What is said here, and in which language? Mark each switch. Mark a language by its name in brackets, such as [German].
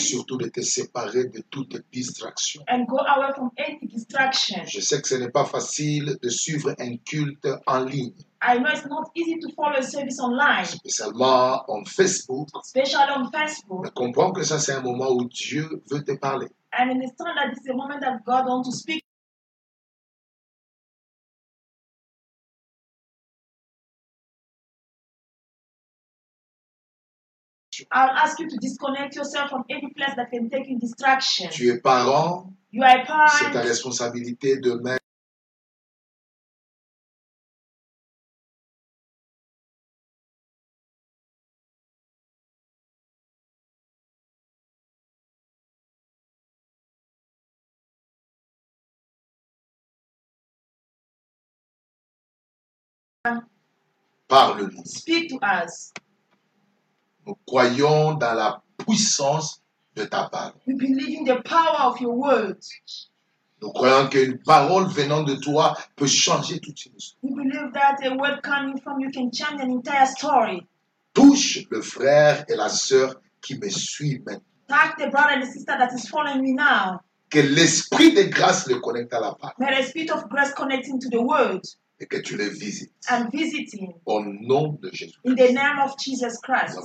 [French] Et surtout de te séparer de toute distraction. [English] And go away from any distraction. [French] Je sais que ce n'est pas facile de suivre un culte en ligne. [English] I know it's not easy to follow a service online. [French] Spécialement on Facebook. [English] Especially on Facebook. [French] Mais comprends que ça c'est un moment où Dieu veut te parler. [English] And understand that it's a moment that God wants to speak. I'll ask you to disconnect yourself from any place that can take you distraction. [French] Tu es parent. [English] You are a parent. [French] C'est ta responsabilité de mettre. Parle-nous. [English] Speak to us. [French] Nous croyons dans la puissance de ta parole. [English] We believe in the power of your word. [French] Nous croyons qu'une parole venant de toi peut changer toute une histoire. [English] We believe that a word coming from you can change an entire story. [French] Touche le frère et la sœur qui me suivent maintenant. [English] Touch the brother and the sister that is following me now. [French] Que l'esprit de grâce le connecte à la parole. [English] May the spirit of grace connect him to the word. [French] Et que tu le visites. [English] And visit him. [French] Au nom de Jésus. [English] In the name of Jesus Christ.